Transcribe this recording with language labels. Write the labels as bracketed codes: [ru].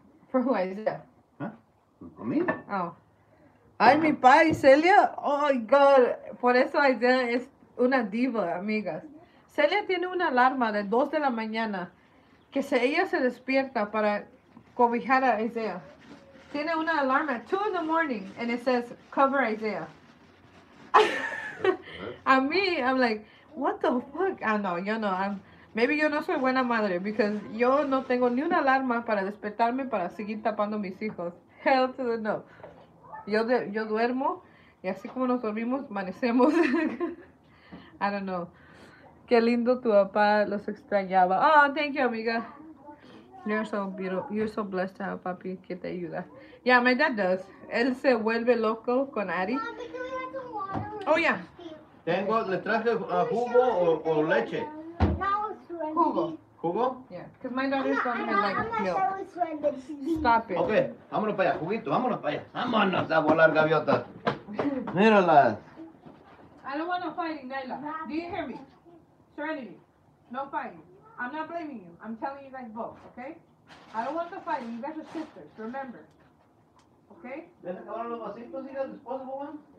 [en] For who is that? For me. [es] Oh. Ay, mi papá y Celia. [en] Oh my God. [es] Por eso Isaiah es una diva, amigas. Celia tiene una alarma de 2 de la mañana que ella se despierta para cobijar a Isaiah. Tiene una alarma [en] at 2 in the morning and it says cover Isaiah. [es] A mí, [en] I'm like, what the fuck? Ah, [es] no, yo no. [en] Maybe [es] yo no soy buena madre, [en] because [es] yo no tengo ni una alarma para despertarme para seguir tapando mis hijos. [en] Hell to the no. [es] Yo duermo, y así como nos dormimos, amanecemos. [en] I don't know. [es] Qué lindo tu papá, los extrañaba. [en] Oh, thank you, amiga. You're so beautiful. You're so blessed to have a [es] papi que te ayuda. [en] Yeah, my dad does. [es] Él se vuelve loco con Ari. [en] Oh, yeah. [es] Tengo, le traje jugo o leche. Jugo. Jugo? [en] Yeah, because my daughter's going to be like milk. Stop it. [es] Okay, vámonos para allá, juguito, vámonos para allá. Vámonos a volar gaviotas. Míralas. [en] I don't want no fighting, Naila. Do you hear me? Serenity. No fighting. I'm not blaming you. I'm telling you guys both, okay? I don't want the fighting. You guys are sisters, remember. Okay? [es] ¿Ya se acabaron los vasitos, hija, después, Juan?